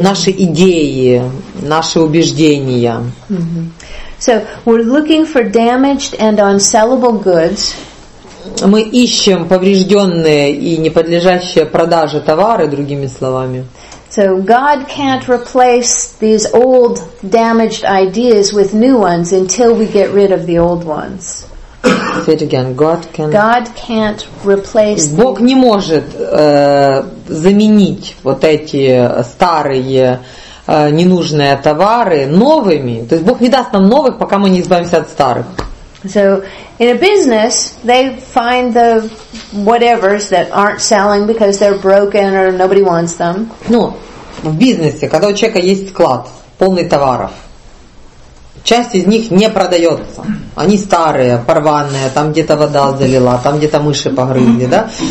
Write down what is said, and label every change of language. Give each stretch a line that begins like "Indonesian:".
Russian: Наши идеи, наши убеждения. Mm-hmm.
English: So we're looking for damaged and unsellable goods.
Russian: Мы ищем поврежденные и не подлежащие продаже товары, другими словами.
English: So God can't replace these old damaged ideas with new ones until we get rid of the old ones. Say it again. God can't replace.
Russian: Бог не может заменить вот эти старые ненужные товары новыми. То есть Бог не даст нам новых, пока мы не избавимся от старых.
English: So in a business, they find the whatevers that aren't selling because they're broken or nobody wants them.
Russian: Ну, в бизнесе, когда у человека есть склад полный товаров, часть из них не продается. Они старые, порванные, там где-то вода залила, там где-то мыши погрызли, да?